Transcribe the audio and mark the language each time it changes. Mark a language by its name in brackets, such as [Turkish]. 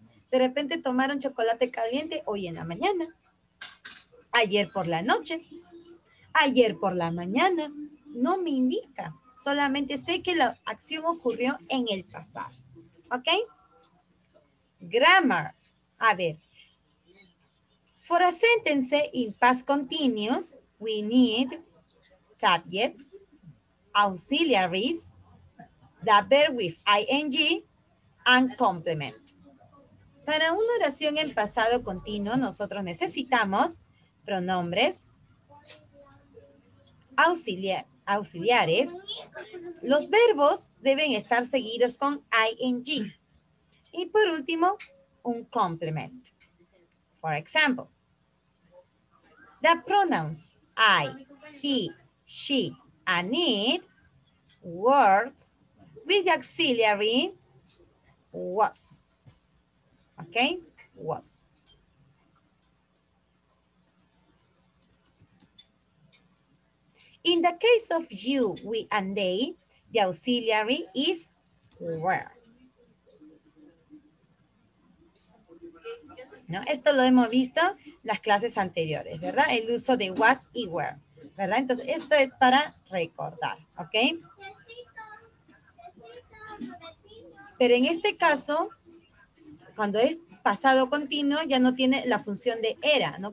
[Spanish] De repente tomaron chocolate caliente hoy en la mañana, ayer por la noche, ayer por la mañana. No me indica. Solamente sé que la acción ocurrió en el pasado. ¿Ok? Grammar. A ver. [English] For a sentence in past continuous, we need subject, auxiliaries, the verb with ing, and complement. [Spanish] Para una oración en pasado continuo, nosotros necesitamos pronombres, auxiliares, los verbos deben estar seguidos con ing. Y por último, un complement. [English] For example, the pronouns I, he, she, and it works with the auxiliary was. Okay, was. In the case of you, we, and they, the auxiliary is were. [Spanish] ¿No? Esto lo hemos visto en las clases anteriores, ¿verdad? El uso de was y were, ¿verdad? Entonces, esto es para recordar, ¿ok? Pero en este caso, cuando es pasado continuo ya no tiene la función de era, ¿no?